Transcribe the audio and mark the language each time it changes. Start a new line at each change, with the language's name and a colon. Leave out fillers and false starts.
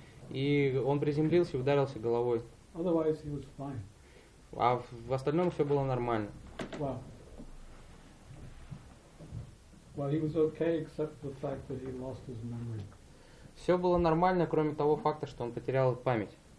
Russian: И он приземлился и ударился головой.
English: Otherwise he was fine.
Russian: А в остальном все было нормально.
English: Well, he was okay, except the fact that he lost his memory.
Russian: Все было нормально, кроме того факта, что он потерял память.